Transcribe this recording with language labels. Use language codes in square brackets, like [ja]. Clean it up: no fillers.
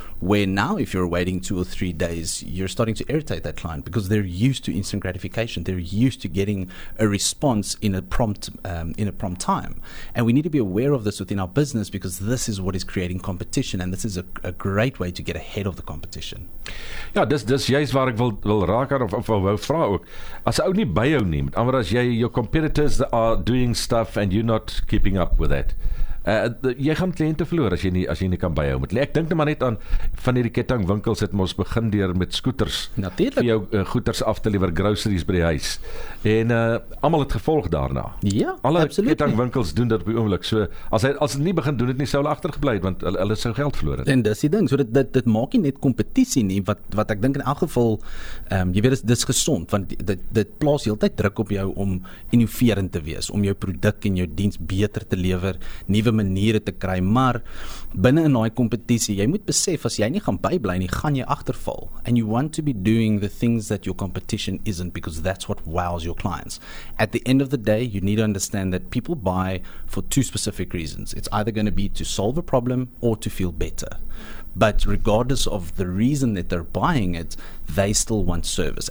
[en] Where now, if you're waiting 2 or 3 days, you're starting to irritate that client because they're used to instant gratification. They're used to getting a response in a prompt time. And we need to be aware of this within our business because this is what is creating competition, and this is a great way to get ahead of the competition. [af] Ja, dis juist waar ek wil raak aan of wou vra ook. As ou nie by jou nie, maar as jy [en] your competitors are doing stuff and you're not keeping up with that. [af] Jy gaan kliënte verloor as jy nie kan byhou met. Ek dink maar net aan van hierdie kettingwinkels het ons begin deur met scooters. Natuurlik. Vir jou goeders af te lewer, groceries by die huis. En almal het gevolg daarna. Ja, alle absoluut. Alle kettingwinkels doen dit op die oomblik. So as hulle nie begin doen dit nie, sou hulle agtergebly het want hulle sou geld verloor het. En dis die ding. So dit maak nie net kompetisie nie wat ek dink in elk geval jy weet dis gesond want dit plaas heeltyd druk op jou om innoverend te wees, om jou produk en jou diens beter te lewer, nie maniere te kry, maar binne in daai kompetisie, jy moet besef as jy nie gaan bybly nie, gaan jy agterval. [en] And you want to be doing the things that your competition isn't because that's what wows your clients. At the end of the day, you need to understand that people buy for 2 specific reasons. It's either going to be to solve a problem or to feel better. But regardless of the reason that they're buying it, they still want service.